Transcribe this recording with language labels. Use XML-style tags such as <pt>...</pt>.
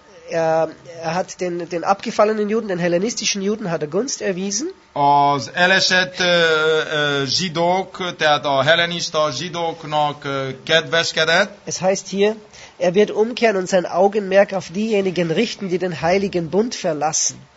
<de>Er hat den abgefallenen Juden, den hellenistischen Juden hat er Gunst erwiesen.</de> <hu>Az elesett zsidók, tehát a hellenista zsidóknak kedveskedett.</hu> <de>Es heißt hier, er wird umkehren und sein Augenmerk auf diejenigen richten, die den heiligen Bund verlassen.</de>